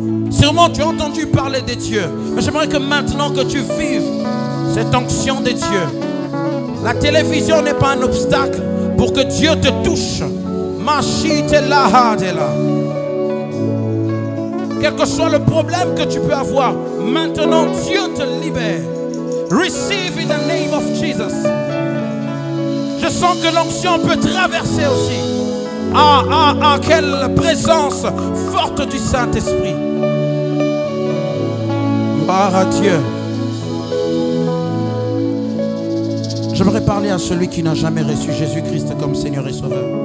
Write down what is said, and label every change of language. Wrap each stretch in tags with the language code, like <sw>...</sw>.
<fr>Sûrement tu as entendu parler des dieux. Mais j'aimerais que maintenant que tu vives cette onction des dieux. La télévision n'est pas un obstacle pour que Dieu te touche. Mashite lahadela. Quel que soit le problème que tu peux avoir, maintenant Dieu te libère.</fr> <en>Receive in the name of Jesus.</en> <fr>Je sens que l'onction peut traverser aussi. Ah, ah, ah, quelle présence forte du Saint-Esprit. Gloire à Dieu. J'aimerais parler à celui qui n'a jamais reçu Jésus-Christ comme Seigneur et Sauveur.</fr>